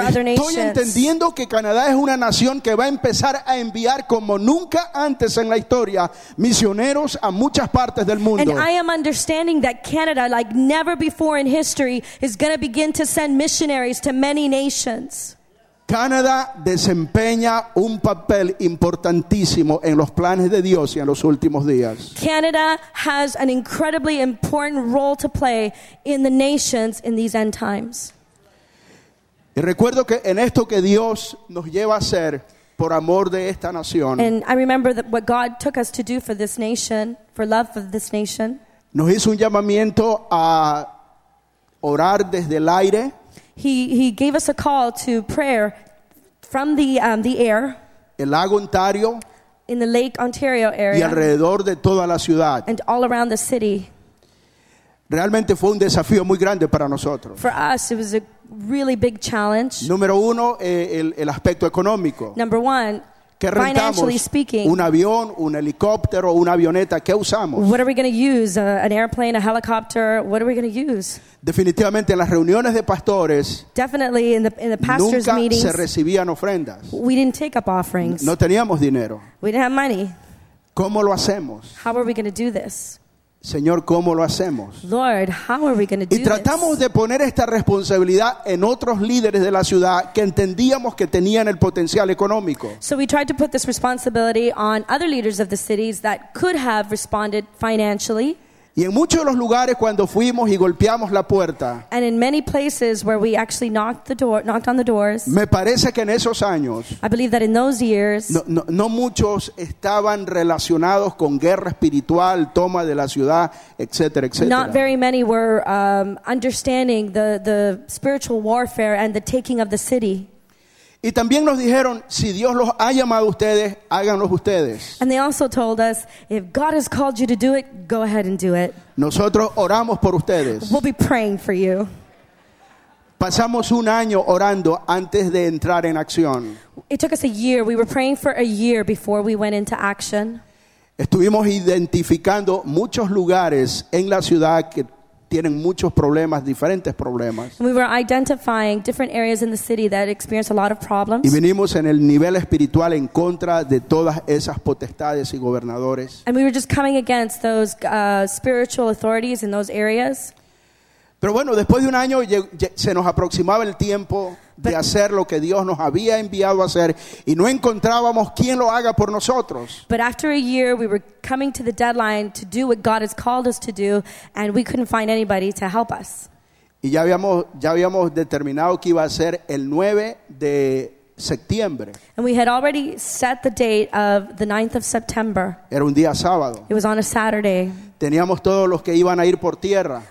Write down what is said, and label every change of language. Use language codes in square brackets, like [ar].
[en] other nations. [es] Estoy entendiendo que Canadá es una nación que va a empezar a enviar como nunca antes en la historia misioneros a muchas partes del mundo. [en] And I am understanding that Canada, like never before in history, is going to begin to send missionaries to many nations. [es] Canadá desempeña un papel importantísimo en los planes de Dios y en los últimos días. [en] Canada has an incredibly important role to play in the nations in these end times. [es] Y recuerdo que en esto que Dios nos lleva a hacer por amor de esta nación. [en] And I remember that what God took us to do for this nation, for love of this nation. [es] Nos hizo un llamamiento a orar desde el aire. [en] He gave us a call to prayer from the air. [es] El lago Ontario. [en] In the Lake Ontario area. [es] Y alrededor de toda la ciudad. [en] And all around the city. [es] Realmente fue un desafío muy grande para nosotros. [en] For us, it was a really big challenge. [es] Número uno, el aspecto económico. [en] Number one. [es] ¿Qué rentamos? [en] Financially speaking, [es] un avión, un helicóptero, una avioneta, ¿qué usamos? [en] What are we going to use? An airplane, a helicopter? What are we going to use? [es] Definitivamente en las reuniones de pastores. [en] Definitely in the pastors' [es] nunca [en] meetings. [es] Nunca se recibían ofrendas. [en] We didn't take up offerings. [es] No teníamos dinero. [en] We didn't have money. [es] ¿Cómo lo hacemos? [en] How are we going to do this? [es] Señor, ¿cómo lo hacemos? [en] Lord, how are we going to do this? [es] Y tratamos de poner esta responsabilidad en otros líderes de la ciudad que entendíamos que tenían el potencial económico. [en] So we tried to put this responsibility on other leaders of the cities that could have responded financially. [es] Y en muchos de los lugares cuando fuimos y golpeamos la puerta. [en] And in many places where we actually knocked on the doors. [es] Me parece que en esos años. [en] I believe that in those years. [es] No muchos estaban relacionados con guerra espiritual, toma de la ciudad, etcétera, etcétera. [en] Not very many were understanding the spiritual warfare and the taking of the city. [es] Y también nos dijeron, si Dios los ha llamado a ustedes, háganlo ustedes. [en] And they also told us, if God has called you to do it, go ahead and do it. [es] Nosotros oramos por ustedes. [en] We'll be praying for you. [es] Pasamos un año orando antes de entrar en acción. [en] It took us a year. We were praying for a year before we went into action. [es] Estuvimos identificando muchos lugares en la ciudad que tienen muchos problemas, diferentes problemas. [en] We were identifying different areas in the city that experience a lot of problems. [es] Y venimos en el nivel espiritual en contra de todas esas potestades y gobernadores. [en] And we were just coming against those spiritual authorities in those areas. [es] Pero bueno, después de un año se nos aproximaba el tiempo de hacer lo que Dios nos había enviado a hacer y no encontrábamos quien lo haga por nosotros. [en] But after a year we were coming to the deadline to do what God has called us to do and we couldn't find anybody to help us. [es] Y ya habíamos determinado que iba a ser el 9 de septiembre. [en] And we had already set the date of the 9th of September. [es] Era un día sábado. [en] It was on a Saturday. [es] Teníamos todos los que iban a ir por tierra.